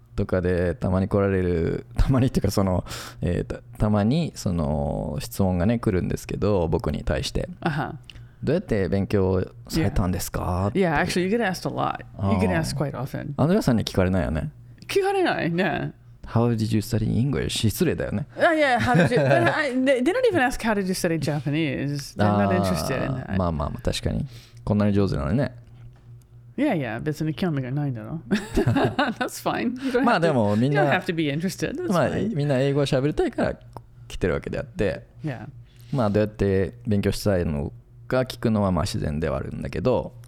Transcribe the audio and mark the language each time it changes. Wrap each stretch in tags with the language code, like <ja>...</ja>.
<ja>とかでたまに来られる、たまにっていうかその、たまにその質問がね来るんですけど、僕に対して、</ja> <en>uh-huh.</en> <ja>どうやって勉強されたんですか、</ja> <en>yeah. Yeah, actually you get asked a lot. You get asked quite often.</en> <ja>アンドレアさんに聞かれないよね。聞かれないね。</ja> <en>How did you study English?</en> <ja>失礼だよね。</ja> <en>Yeah, how did you? They don't even ask how did you study Japanese. They're not interested in that.</en> <ja>まあまあまあ確かに。こんなに上手なのね。</ja> <en>Yeah, yeah.</en> <ja>別に興味がないんだろ。</ja> <en>That's fine.</en> <ja>まあでもみんな。</ja> <en>You don't have to be interested. That's fine.</en> <ja>まあみんな英語を喋りたいから来てるわけであって。</ja> <en>Yeah.</en> <ja>まあどうやって勉強したいのか聞くのはまあ自然ではあるんだけど。</ja>